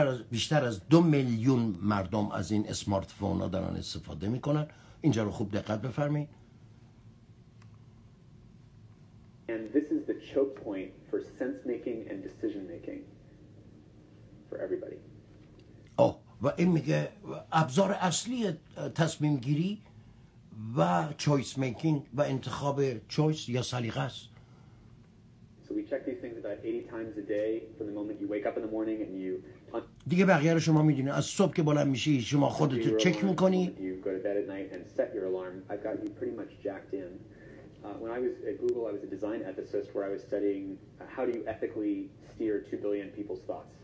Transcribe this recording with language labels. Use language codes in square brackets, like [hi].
[fa] بیشتر از 2 میلیون مردم از این اسمارتفون ها دارن استفاده میکنن. اینجا رو خوب دقت بفرمایید. [en] And this is the choke point for sense making and decision making for everybody. [fa] Oh, و این میگه ابزار اصلی تصمیم گیری و choice making و انتخاب choice یا سلیقه است. [en] So we check these things about 80 times a day from the moment you wake up in the morning and you [fa] دیگه بقیه رو شما میدونی، از صبح که بلند میشی شما خودت رو چک میکنی. [en] You go to bed at night and set your alarm. I've got you pretty much jacked in. When I was at Google, I was a design ethicist where I was studying how do you ethically steer 2 billion people's thoughts.